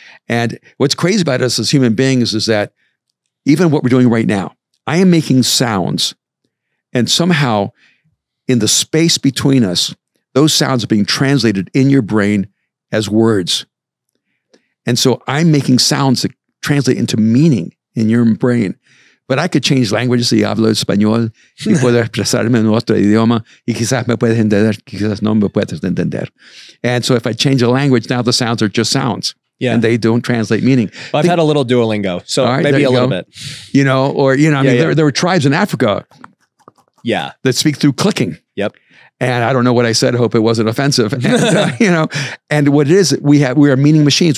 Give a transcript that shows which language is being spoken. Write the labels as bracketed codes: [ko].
[en] And what's crazy about us as human beings is that even what we're doing right now, I am making sounds and somehow in the space between us, those sounds are being translated in your brain as words. And so I'm making sounds that translate into meaning in your brain. But I could change languages. [es] Si hablo español, y puedo expresarme en otro idioma, y quizás me puedes entender, quizás no me puedes entender. [en] And so if I change a language, now the sounds are just sounds. Yeah. And they don't translate meaning. Well, I've had a little Duolingo, so right, maybe a little bit. There were tribes in Africa. Yeah. That speak through clicking. Yep. And I don't know what I said. I hope it wasn't offensive. And, and what it is, we are meaning machines.